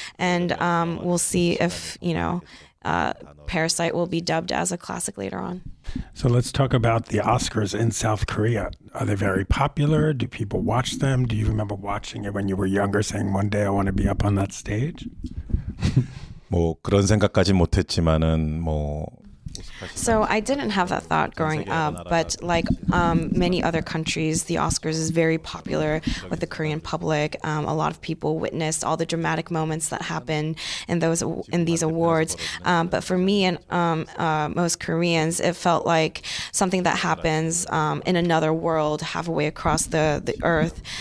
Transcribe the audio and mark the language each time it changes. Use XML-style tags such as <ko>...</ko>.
<en>And we'll see if, you know, Parasite will be dubbed as a classic later on. So let's talk about the Oscars in South Korea. Are they very popular? Do people watch them? Do you remember watching it when you were younger, saying, one day I want to be up on that stage?</en> <ko>뭐 그런 생각까지 못 했지만은 뭐</ko> <en>So I didn't have that thought growing up, but like many other countries, the Oscars is very popular with the Korean public. A lot of people witnessed all the dramatic moments that happen in these awards. But for me and most Koreans, it felt like something that happens in another world, halfway across the earth.</en>